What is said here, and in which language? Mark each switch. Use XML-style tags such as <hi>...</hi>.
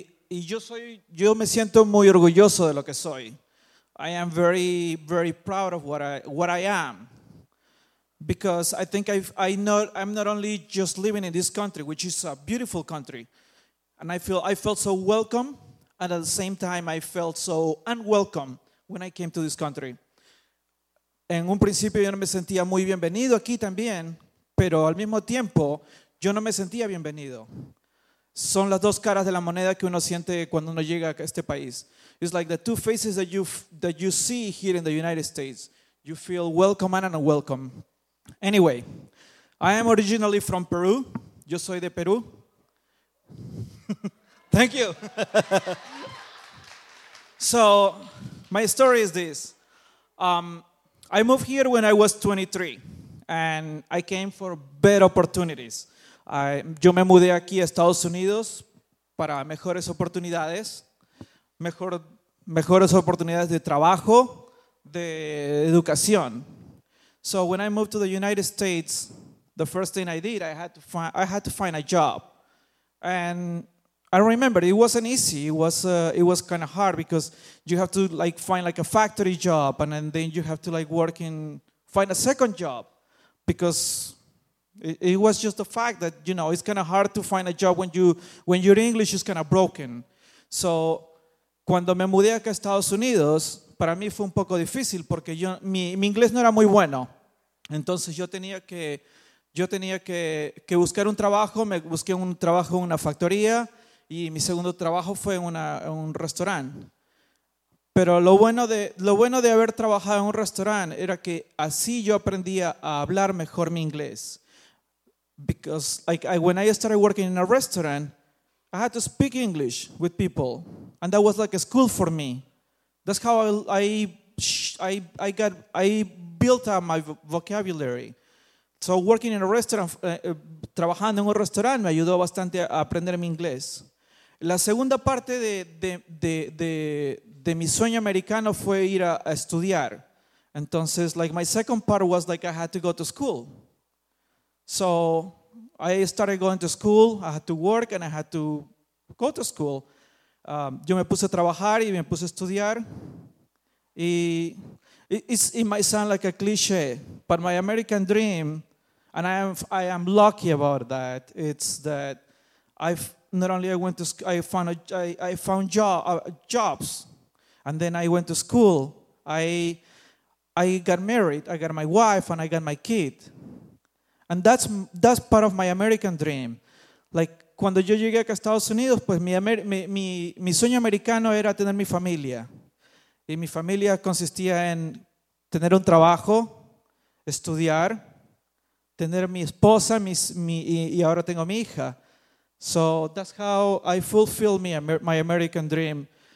<es>Yo me siento muy orgulloso de lo que soy.</es> <en>I am very, very proud of what I am, because I think I'm not only just living in this country, which is a beautiful country, and I felt so welcome, and at the same time I felt so unwelcome when I came to this country.</en> <es>En un principio yo no me sentía muy bienvenido aquí también, pero al mismo tiempo yo no me sentía bienvenido. Son las dos caras de la moneda que uno siente cuando uno llega a este país.</es> <en>It's like the two faces that you see here in the United States. You feel welcome and unwelcome. Anyway, I am originally from Peru.</en> <es>Yo soy de Peru.</es> <en>Thank you. So, my story is this. I moved here when I was 23, and I came for better opportunities.</en> <es>Yo me mudé aquí a Estados Unidos para mejores oportunidades, mejores oportunidades de trabajo, de educación.</es> <en>So when I moved to the United States, the first thing I did, I had to find a job. And I remember it wasn't easy. It was kind of hard because you have to like find like a factory job, and then you have to like work in find a second job because It was just the fact that, you know, it's kind of hard to find a job when your English is kind of broken.</en> <es>So, cuando me mudé acá a Estados Unidos, para mí fue un poco difícil porque yo, mi inglés no era muy bueno. Entonces yo tenía que buscar un trabajo, me busqué un trabajo en una factoría y mi segundo trabajo fue en un restaurante. Pero lo bueno de haber trabajado en un restaurante era que así yo aprendía a hablar mejor mi inglés.</es> <en>Because when I started working in a restaurant, I had to speak English with people, and that was like a school for me. That's how I built up my vocabulary. So working in a restaurant,</en> <es>trabajando en un restaurante, me ayudó bastante a aprender mi inglés. La segunda parte de mi sueño americano fue ir a estudiar.</es> <en>Entonces, like my second part was like I had to go to school. So I started going to school. I had to work and I had to go to school.</en> <es>Yo me puse a trabajar y me puse a estudiar.</es> <en>Y it might sound like a cliche, but my American dream, and I am lucky about that. It's that I found jobs, and then I went to school. I got married. I got my wife and I got my kid. And that's part of my American dream.</en> <es>Like cuando yo llegué acá a Estados Unidos, pues mi sueño americano era tener mi familia. Y mi familia consistía en tener un trabajo, estudiar, tener mi esposa, y ahora tengo mi hija.</es> <en>So that's how I fulfilled my American dream.</en>